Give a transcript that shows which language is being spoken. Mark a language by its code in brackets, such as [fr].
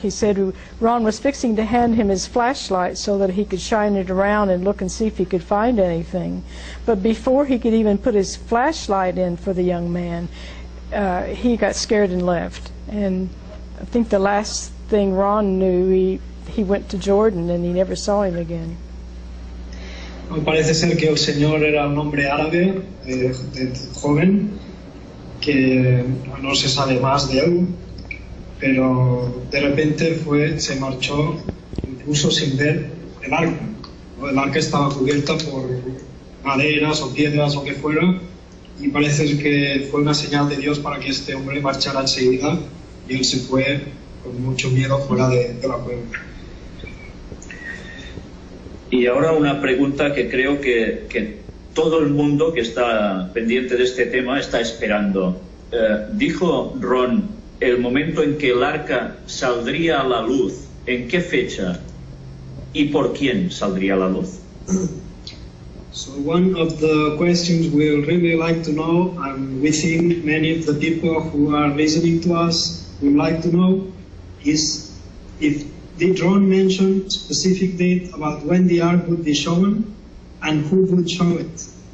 [en] He said Ron was fixing to hand him his flashlight so that he could shine it around and look and see if he could find anything. But before he could even put his flashlight in for the young man, he got scared and left. And I think the last thing Ron knew, he went to Jordan and he never saw him again. [es] Me parece ser que el señor era un hombre árabe, joven, que no se sabe más de él, pero de repente fue, se marchó, incluso sin ver el arca. El arca estaba cubierta por maderas o piedras o que fuera, y parece que fue una señal de Dios para que este hombre marchara enseguida, y él se fue con mucho miedo fuera de la cueva. Y ahora una pregunta que creo que todo el mundo que está pendiente de este tema está esperando. Dijo Ron, el momento en que el arca saldría a la luz, ¿en qué fecha y por quién saldría a la luz? [en] So one of the questions we really like to know, and we think many of the people who are listening to us would like to know, is if did Ron mention specific date about when the ark would be shown, and who would show it?